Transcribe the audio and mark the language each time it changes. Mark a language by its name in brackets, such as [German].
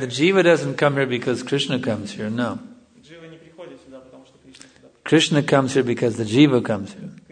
[English] the jiva doesn't come here because Krishna comes here. No. [Russian] Jiva не приходит сюда, потому что Кришна сюда. [English] Krishna comes here because the jiva comes here.